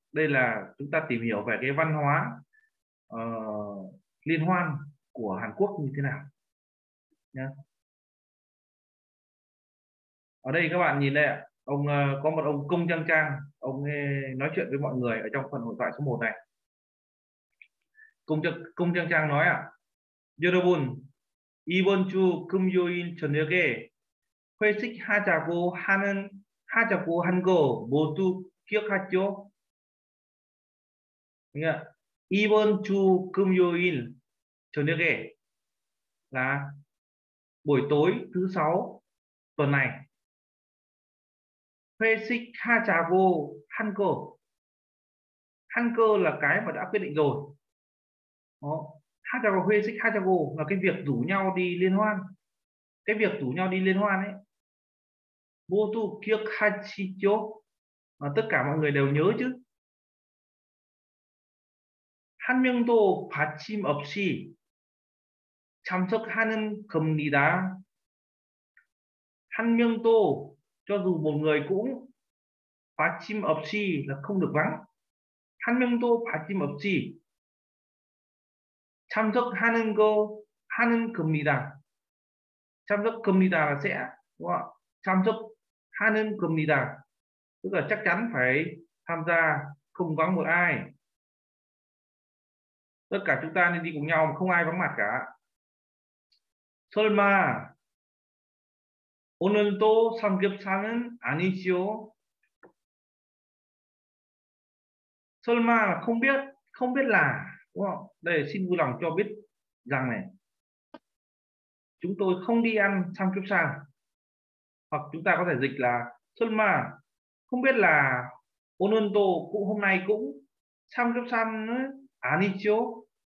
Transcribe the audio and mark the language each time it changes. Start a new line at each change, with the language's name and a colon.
Vietnamese: Đây là chúng ta tìm hiểu về cái văn hóa liên hoan của Hàn Quốc như thế nào. Ở đây các bạn nhìn đây ạ, ông có một ông Công Trang Trang, ông nói chuyện với mọi người ở trong phần hội thoại số 1 này. Công Trang Trang nói ạ,
Korean: 여러분 이번 주 금요일 저녁에 회식 하자고 하는 하자고 한 거 모두 기억하죠? 그러니까 이번 주 금요일 저녁에
Vietnamese: là buổi tối thứ sáu tuần này.
Korean: 회식 하자고 한 거. 한 거
Vietnamese: là cái mà đã quyết định rồi. Đó.
Korean: 하자고 회식 하자고
Vietnamese: là cái việc rủ nhau đi liên hoan. Cái việc rủ nhau đi liên hoan ấy.
Korean: 모두 기억하시죠?
Vietnamese: Mà tất cả mọi người đều nhớ chứ.
Korean: 한 명도 받침 없이 참석하는 겁니다. 한 명도
Vietnamese: cho dù một người cũng
Korean: 받침 없이
Vietnamese: là không được vắng.
Korean: 한 명도 받침 없이 참석하는 거 하는 겁니다. 참석합니다
Vietnamese: là sẽ, đúng không?
Korean: 참석하는 겁니다
Vietnamese: tức là chắc chắn phải tham gia, không vắng một ai. Tất cả chúng ta nên đi cùng nhau mà không ai vắng mặt cả.
Korean: 설마 오늘도 삼겹살은 아니죠? 설마
Vietnamese: là không biết, không biết là, đúng không? Đây xin vui lòng cho biết rằng này, chúng tôi không đi ăn 삼겹살. Hoặc chúng ta có thể dịch là
Korean: 설마
Vietnamese: không biết là
Korean: 오늘도
Vietnamese: cũng hôm nay cũng
Korean: 삼겹살은 아니죠?